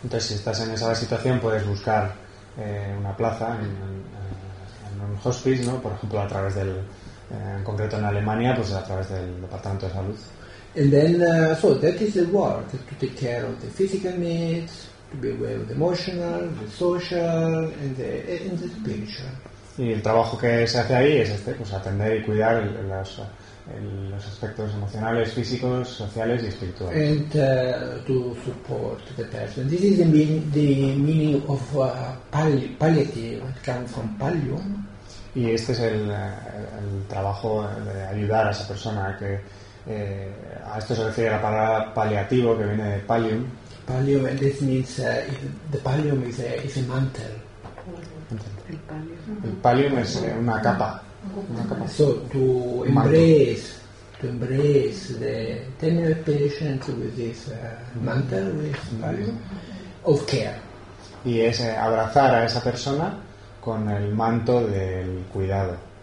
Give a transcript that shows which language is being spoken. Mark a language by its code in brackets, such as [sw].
[es] Entonces, si estás en esa situación, puedes buscar una plaza en un hospice, ¿no? Por ejemplo, a través del, en concreto en Alemania, pues a través del Departamento de Salud. [en] And then, so that is the work, to take care of the physical needs, to be aware of the emotional, the social, and the spiritual. [es] Y el trabajo que se hace ahí es este, pues atender y cuidar los aspectos emocionales, físicos, sociales y espirituales. [en] And to support the person. This is the meaning of palliative, it comes from pallium. [es] Y este es el trabajo de ayudar a esa persona que... a esto se refiere la palabra paliativo, que viene de pallium. [en] Pallium, and this means the pallium is a mantle. [es] El pallium. El pallium es una capa. Una capa. [en] So to embrace the terminal patient with this mantle, with pallium, of care. [es] Y es abrazar a esa persona con el manto del cuidado.